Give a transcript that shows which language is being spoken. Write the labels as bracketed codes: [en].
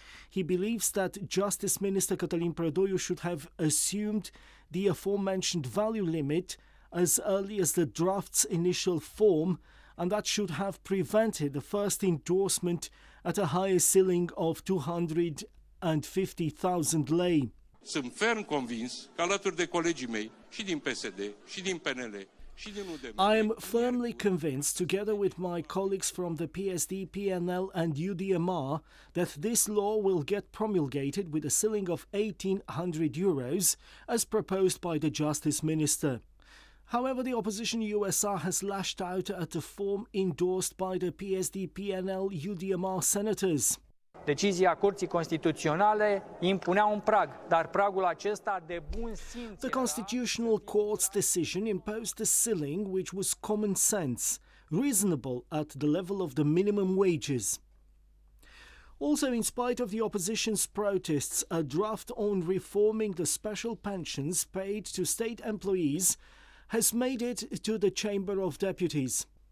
[en] He believes that Justice Minister Cătălin Predoiu should have assumed the aforementioned value limit as early as the draft's initial form, and that should have prevented the first endorsement at a higher ceiling of 250,000 lei. [ro] Sunt ferm convins că alături de colegii mei și din PSD și din PNL și din UDMR. [en] I am firmly convinced, together with my colleagues from the PSD, PNL and UDMR, that this law will get promulgated with a ceiling of 1,800 euros, as proposed by the Justice Minister. However, the opposition USR has lashed out at a form endorsed by the PSD, PNL, UDMR senators. [ro] Decizia Curții Constituționale impunea un prag, dar pragul acesta de bun simț. [en] The Constitutional Court's decision imposed a ceiling which was common sense, reasonable at the level of the minimum wages. Also, in spite of the opposition's protests, a draft on reforming the special pensions paid to state employees has made it to the Chamber of Deputies.